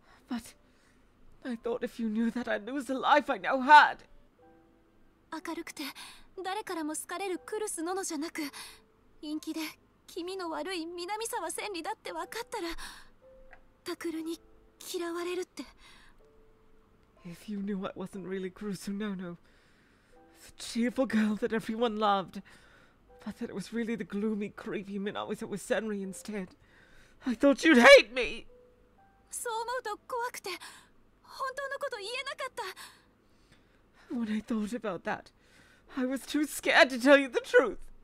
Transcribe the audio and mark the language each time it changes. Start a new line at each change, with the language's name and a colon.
English: But I thought if you knew that I'd lose the life I now had.
Japanese: 明るくて誰からも好かれるクルスノノじゃなく、陰気で気味の悪い南沢千里だって分かったら、タクルに嫌われるって。
English: If you knew I wasn't really Kurusu Nono, the cheerful girl that everyone loved, but that it was really the gloomy, creepy Minamisa with Senri instead. I thought you'd hate me!
Japanese: そう思うと怖くて、本当のこと言えなかった。
English: When I thought about that, I was too scared to tell you the truth.